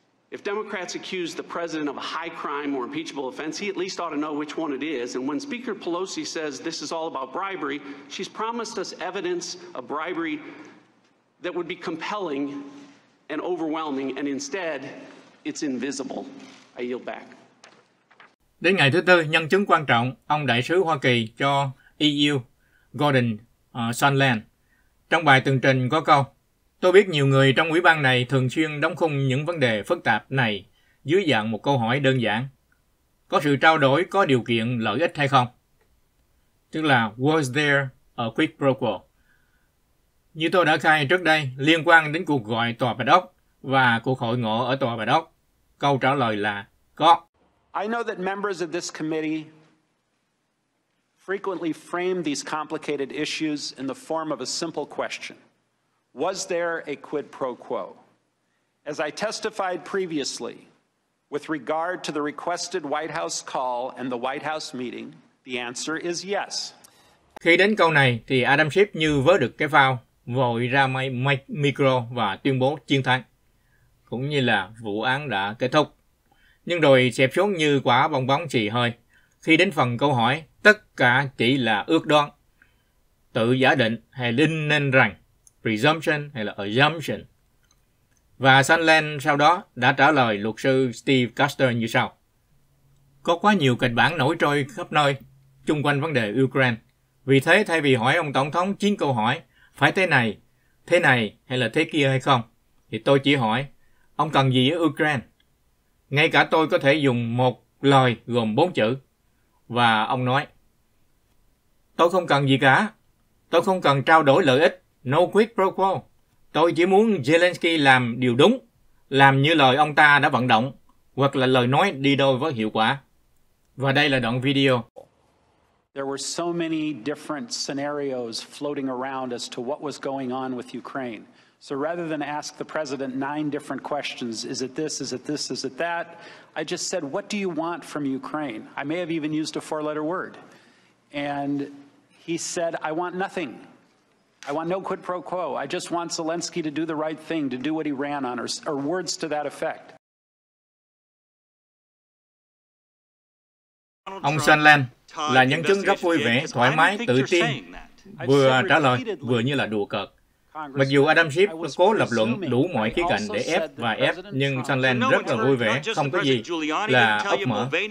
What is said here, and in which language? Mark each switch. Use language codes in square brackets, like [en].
[en] If Democrats accuse the president of a high crime or impeachable offense, he at least ought to know which one it is. And when Speaker Pelosi says this is all about bribery, she's promised us evidence of bribery that would be compelling and overwhelming, and instead, it's invisible. I yield back. [vi] Đến ngày thứ tư, nhân chứng quan trọng, ông đại sứ Hoa Kỳ cho EU, Gordon Sondland, trong bài tường trình có câu: "Tôi biết nhiều người trong ủy ban này thường xuyên đóng khung những vấn đề phức tạp này dưới dạng một câu hỏi đơn giản. Có sự trao đổi có điều kiện lợi ích hay không?" Tức là, [en] was there a quid pro quo? [vi] Như tôi đã khai trước đây, liên quan đến cuộc gọi Tòa Bạch Ốc và cuộc hội ngộ ở Tòa Bạch Ốc, câu trả lời là có. [en] I know that members of this committee frequently frame these complicated issues in the form of a simple question. Was there a quid pro quo? As I testified previously, with regard to the requested White House call and the White House meeting, the answer is yes. [vi] Khi đến câu này, thì Adam Schiff như vớ được cái phao, vội ra micro và tuyên bố chiến thắng, cũng như là vụ án đã kết thúc. Nhưng rồi xẹp xuống như quả bong bóng chì hơi. Khi đến phần câu hỏi, tất cả chỉ là ước đoán, tự giả định hay linh nên rằng, presumption hay là assumption. Và Sondland sau đó đã trả lời luật sư Steve Custer như sau. Có quá nhiều kịch bản nổi trôi khắp nơi, chung quanh vấn đề Ukraine. Vì thế thay vì hỏi ông Tổng thống 9 câu hỏi, phải thế này hay là thế kia hay không, thì tôi chỉ hỏi, ông cần gì ở Ukraine? Ngay cả tôi có thể dùng một lời gồm 4 chữ. Và ông nói, tôi không cần gì cả. Tôi không cần trao đổi lợi ích. [en] No quid pro quo. [vi] Tôi chỉ muốn Zelensky làm điều đúng, làm như lời ông ta đã vận động, hoặc là lời nói đi đôi với hiệu quả. Và đây là đoạn video. [en] There were so many different scenarios floating around as to what was going on with Ukraine. So rather than ask the president 9 different questions, is it this, is it this, is it that, I just said, what do you want from Ukraine? I may have even used a 4-letter word. And he said, I want nothing. I want no quid pro quo. I just want Zelensky to do the right thing, to do what he ran on, or words to that effect. [vi] Ông Sondland là nhân chứng rất vui vẻ, thoải mái, tự tin, vừa trả lời, vừa như là đùa cợt. Mặc dù Adam Schiff cố lập luận đủ mọi khía cạnh để ép và ép, nhưng Sondland rất là vui vẻ, không có gì là ốc mỡ.